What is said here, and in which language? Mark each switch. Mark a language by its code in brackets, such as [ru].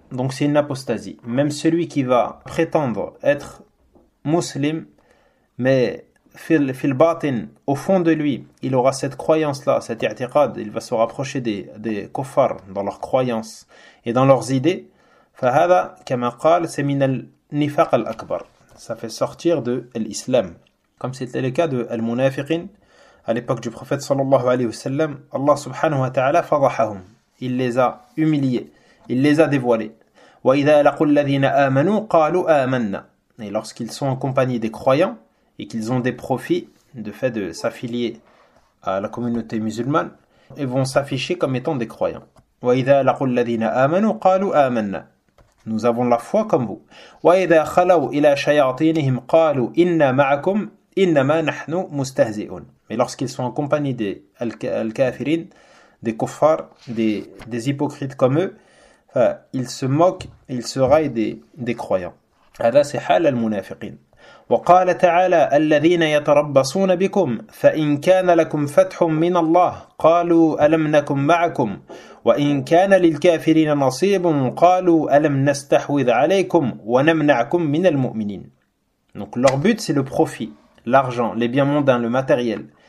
[fr] Donc c'est une apostasie. Même celui qui va prétendre être musulman, mais [ar] fil batin, [fr] au fond de lui, il aura cette croyance-là, cet i'tiqad, il va se rapprocher des kuffar dans leurs croyances et dans leurs idées. [ar] فَهَذَا كَمَا قَالَ c'est مِنَ النِّفَاقَ الْأَكْبَرِ. [fr] Ça fait sortir de l'islam. Comme c'était le cas de al-munafiqin, à l'époque du prophète [ar] sallallahu alayhi wa sallam, [fr] Allah [ar] subhanahu wa ta'ala fadahahum. [fr] Il les a humiliés, il les a dévoilés. [ar] وَإِذَا لَقُوا الَّذِينَ آمَنُوا قَالُوا آمَنَّا. [fr] Et lorsqu'ils sont en compagnie des croyants, et qu'ils ont des profits du fait de s'affilier à la communauté musulmane, et vont s'afficher comme étant des croyants. [ar] وَإِذَا لَقُوا الَّذِينَ آمَنُوا قَالُوا آمَنَّا. [fr] Nous avons la foi comme vous. [ar] وَإِذَا خَلَوْا إِلَى شَيَاطِينِهِمْ قَالُوا إِنَّا مَعَكُمْ إِنَّمَا نَحْنُ مُسْتَهْزِئُونَ. [fr] Mais lorsqu'ils sont en compagnie des al-kafirin, des kuffar, des hypocrites comme eux, ils se moquent et ils se raillent des croyants. [ar] هذا سحال المنافقين. وقال تعالى الذين يتربصون بكم فإن كان لكم فتح من الله قالوا ألم نكن معكم وإن كان للكافرين نصيب قالوا ألم نستحوذ عليكم ونمنعكم من المؤمنين. [fr] Donc leur but, c'est le profit, l'argent, les biens mondains, le matériel.